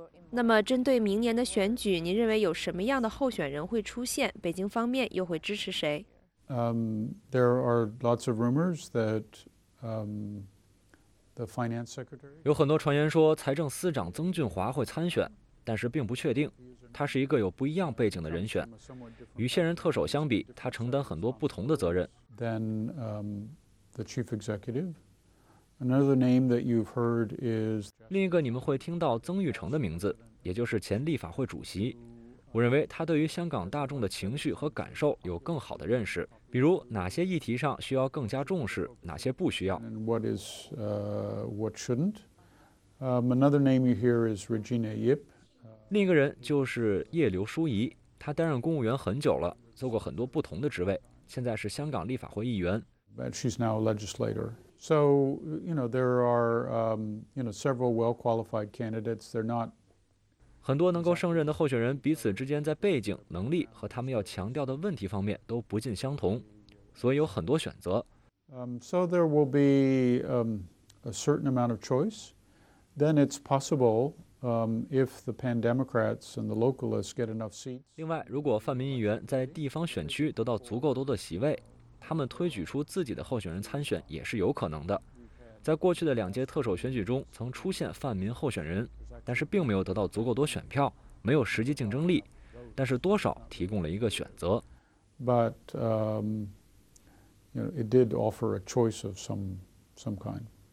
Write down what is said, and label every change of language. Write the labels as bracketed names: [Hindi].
[Chinese] 那么，针对明年的选举，您认为有什么样的候选人会出现？北京方面又会支持谁？ [English] There are lots of rumors that the finance secretary. [Chinese] 有很多传言说财政司长曾俊华会参选，但是并不确定。他是一个有不一样背景的人选，与现任特首相比，他承担很多不同的责任。 [English] Then the chief executive. Another name that you've heard is. [Chinese] 另一个你们会听到曾玉成的名字，也就是前立法会主席。我认为他对于香港大众的情绪和感受有更好的认识，比如哪些议题上需要更加重视，哪些不需要。 [English] What is what shouldn't? Another name you hear is Regina Yip. [Chinese] 另一个人就是叶刘淑仪，他担任公务员很久了，做过很多不同的职位，现在是香港立法会议员。 [English] But she's now a legislator. So you know there are several well-qualified candidates. They're not. [Chinese] 很多能够胜任的候选人彼此之间在背景、能力和他们要强调的问题方面都不尽相同，所以有很多选择。 [English] So there will be a certain amount of choice. Then it's possible if the Pan Democrats and the localists get enough seats. [Chinese] 另外，如果泛民议员在地方选区得到足够多的席位，他们推举出自己的候选人参选也是有可能的。在过去的两届特首选举中，曾出现泛民候选人。但是并没有得到足够多选票，没有实际竞争力，但是多少提供了一个选择。 [English] But it did offer a choice of some kind.